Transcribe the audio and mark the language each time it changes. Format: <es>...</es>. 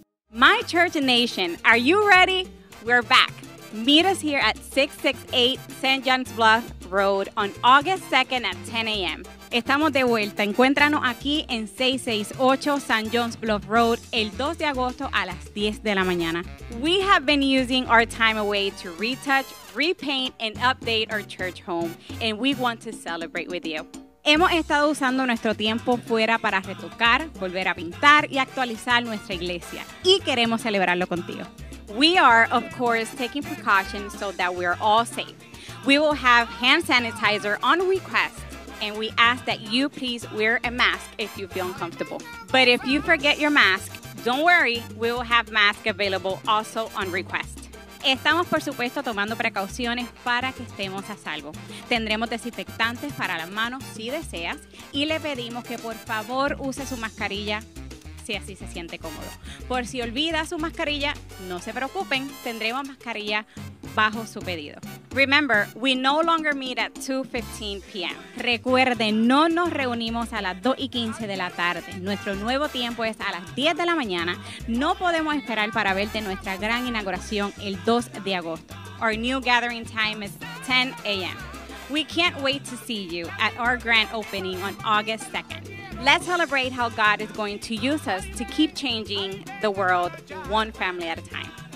<en>My Church Nation, are you ready? We're back. Meet us here at 668 St. John's Bluff Road on August 2nd at 10 a.m.</en> <es>Estamos de vuelta. Encuéntranos aquí en 668 St. John's Bluff Road el 2 de agosto a las 10 de la mañana.</es> <en>We have been using our time away to retouch, repaint, and update our church home, and we want to celebrate with you.</en> <es>Hemos estado usando nuestro tiempo fuera para retocar, volver a pintar y actualizar nuestra iglesia, y queremos celebrarlo contigo.</es> <en>We are, of course, taking precautions so that we are all safe. We will have hand sanitizer on request, and we ask that you please wear a mask if you feel uncomfortable. But if you forget your mask, don't worry, we will have masks available also on request.</en> <es>Estamos, por supuesto, tomando precauciones para que estemos a salvo. Tendremos desinfectantes para las manos si deseas, y le pedimos que por favor use su mascarilla si así se siente cómodo. Por si olvida su mascarilla, no se preocupen, tendremos mascarilla bajo su pedido.</es> <en>Remember, we no longer meet at 2:15 p.m.</en> <es>Recuerde, no nos reunimos a las 2:15 de la tarde. Nuestro nuevo tiempo es a las 10 de la mañana. No podemos esperar para verte en nuestra gran inauguración el 2 de agosto.</es> <en>Our new gathering time is 10 a.m. We can't wait to see you at our grand opening on August 2nd. Let's celebrate how God is going to use us to keep changing the world one family at a time.</en>